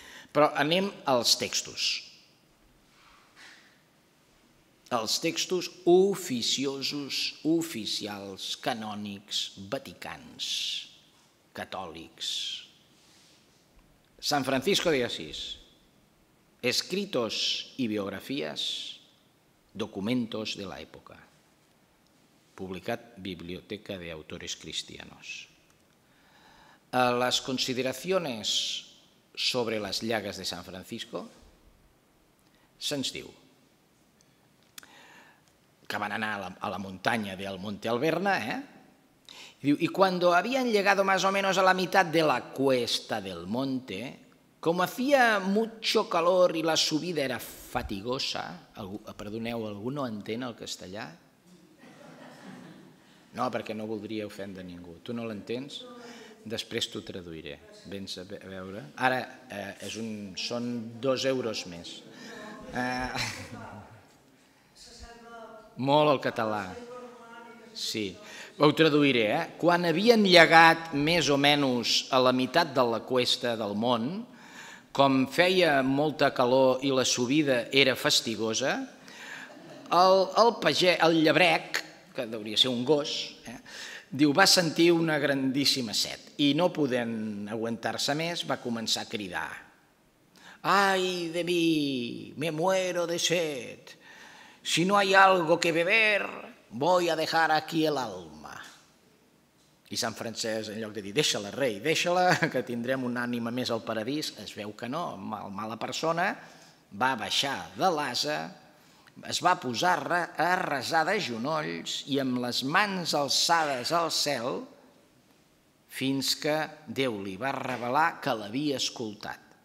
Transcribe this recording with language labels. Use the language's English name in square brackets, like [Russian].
[Catalan] Però anem als textos. Els textos oficiosos, oficials, canònics, vaticans, catòlics. [Spanish] San Francisco de Asís, escritos y biografías, documentos de la época, publicat Biblioteca de Autores Cristianos. Las consideraciones sobre las llagas de San Francisco, [Catalan] se'ns diu que van anar a la muntanya del [Spanish] Monte Alverna, i cuando habían llegado más o menos a la mitad de la cuesta del monte, como hacía mucho calor y la subida era fatigosa, [Catalan] perdoneu, algú no entén el castellà? No, perquè no voldria ofendre ningú. Tu no l'entens? Després t'ho traduiré. Vens a veure. Ara són 2 euros més. Molt el català. Sí. Ho traduiré, Quan havien llegat més o menys a la meitat de la cuesta del món, com feia molta calor i la subida era fastigosa, el pagès, el llebrec, que devia ser un gos, diu, va sentir una grandíssima set i no podent aguantar-se més va començar a cridar. [Spanish] Ai de mi, me muero de set. Si no hay algo que beber, voy a dejar aquí el alma. [Catalan] I Sant Francesc, en lloc de dir, deixa-la, rei, deixa-la, que tindrem una ànima més al paradís, es veu que no, mala persona, va baixar de l'asa es va posar a resar de genolls i amb les mans alçades al cel fins que Déu li va revelar que l'havia escoltat.